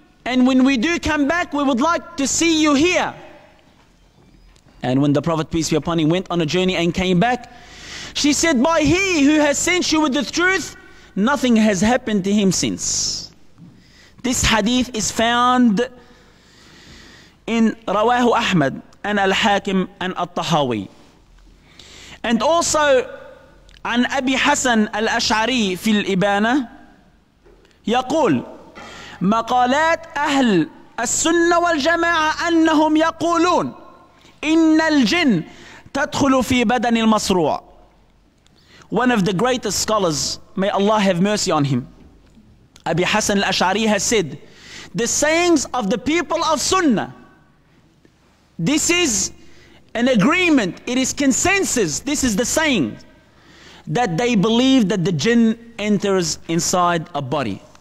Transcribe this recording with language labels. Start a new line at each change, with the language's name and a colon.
English: And when we do come back, we would like to see you here. And when the Prophet, peace be upon him, went on a journey and came back, she said, by he who has sent you with the truth, nothing has happened to him since. This hadith is found in Rawahu Ahmad and Al-Hakim and Al-Tahawi. And also,
Arabic: عن أبي حسن الأشعري في الإبانة يقول مقالات أهل السنة والجماعة أنهم يقولون إن الجن تدخل في بدن المسروع.
English: One of the greatest scholars, may Allah have mercy on him, أبي حسن الأشعري has said, the sayings of the people of Sunnah, this is an agreement, it is consensus, this is the saying, that they believe that the jinn enters inside a body.